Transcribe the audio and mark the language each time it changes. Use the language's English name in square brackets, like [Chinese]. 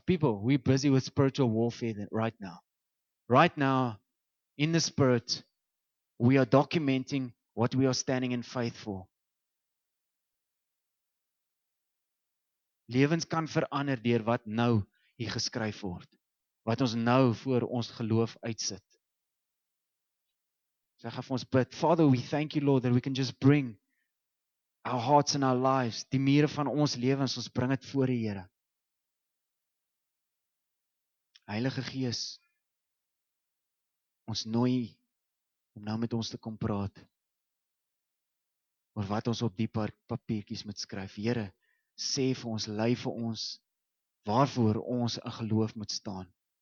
[English] People, we're busy with spiritual warfare right now. Right now, in the spirit, we are documenting what we are standing in faith for. [Afrikaans] Lewens kan verander deur wat nou hier geskryf word. Wat ons nou voor ons geloof uitsit. [English] But Father, we thank you, Lord, that we can just bring our hearts and our lives, [Afrikaans] die mure van ons lewens, ons bring het voor die Here. Heilige Gees, ons nooi om nou met ons te kom praat oor wat ons op die papiertjies moet skryf. Here, sê vir ons, lei vir ons, waarvoor ons in geloof moet staan.